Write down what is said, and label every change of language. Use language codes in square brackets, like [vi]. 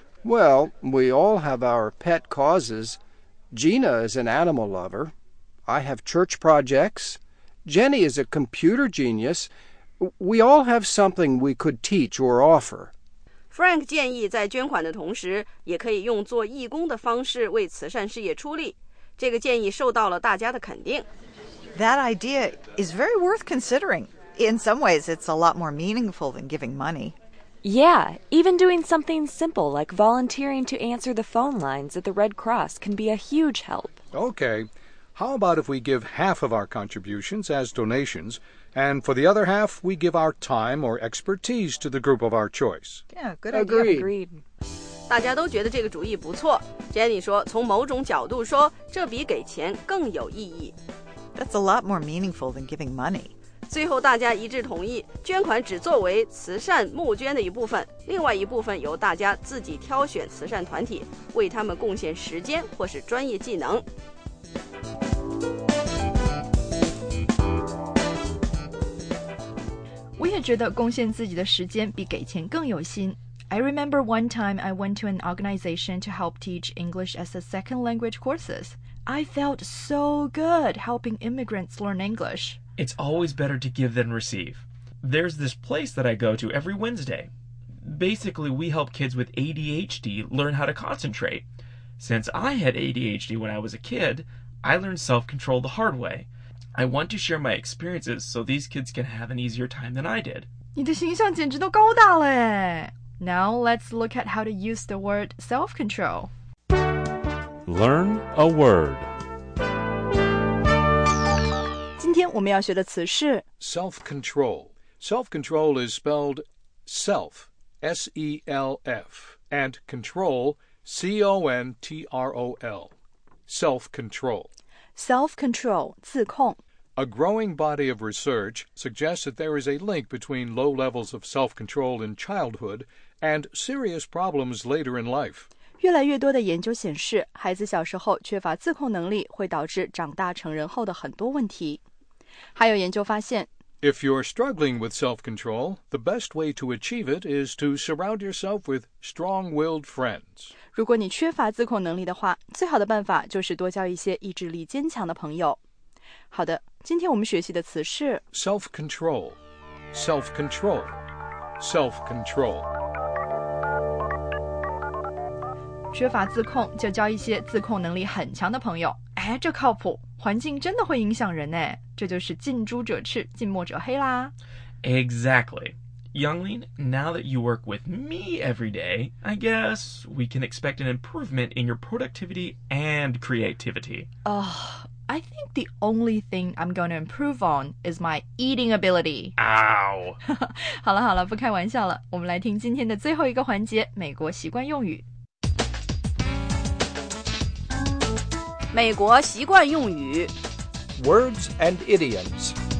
[en] Well, we all have our pet causes. Gina is an animal lover. I have church projects. Jenny is a computer genius. We all have something we could teach or offer. [zh] Frank 建议在捐款的同时也可以用做义工的方式为慈善事业出力。这个建议受到了大家的肯定。 [en] That idea is very worth considering. In some ways, it's a lot more meaningful than giving money. Yeah, even doing something simple like volunteering to answer the phone lines at the Red Cross can be a huge help. Okay, how about if we give half of our contributions as donations,And for the other half, we give our time or expertise to the group of our choice. Yeah, good idea. Agreed. [zh] 大家都觉得这个主意不错。 Jenny 说，从某种角度说，这比给钱更有意义。 [en] That's a lot more meaningful than giving money. [zh] 最后大家一致同意，捐款只作为慈善募捐的一部分，另外一部分由大家自己挑选慈善团体，为他们贡献时间或是专业技能。我也觉得贡献自己的时间比给钱更有心。 [en] I remember one time I went to an organization to help teach English as a second language courses. I felt so good helping immigrants learn English. It's always better to give than receive. There's this place that I go to every Wednesday. Basically, we help kids with ADHD learn how to concentrate. Since I had ADHD when I was a kid, I learned self-control the hard way. I want to share my experiences so these kids can have an easier time than I did. [zh] 你的形象简直都高大了耶。 [en] Now let's look at how to use the word self-control. Learn a word. [zh] 今天我们要学的词是 [en] self-control. Self-control is spelled self, S-E-L-F, and control, C-O-N-T-R-O-L. Self-control. Self-control, [zh] 自控。 [en] A growing body of research suggests that there is a link between low levels of self-control in childhood and serious problems later in life. [zh] 越来越多的研究显示，孩子小时候缺乏自控能力会导致长大成人后的很多问题。还有研究发现， [en] If you're struggling with self-control, the best way to achieve it is to surround yourself with strong-willed friends. [zh] 如果你缺乏自控能力的话，最好的办法就是多交一些意志力坚强的朋友。好的，今天我们学习的词是 [en] self-control, self-control, self-control. [zh] 缺乏自控就交一些自控能力很强的朋友，哎，这靠谱，环境真的会影响人呢，这就是近朱者赤，近墨者黑啦。 [en] Exactly. Youngling, now that you work with me every day, I guess we can expect an improvement in your productivity and creativity. I think the only thing I'm going to improve on is my eating ability. Ow! [zh] 好了好了，不开玩笑了。我们来听今天的最后一个环节，美国习惯用语。美国习惯用语。 [en] Words and idioms.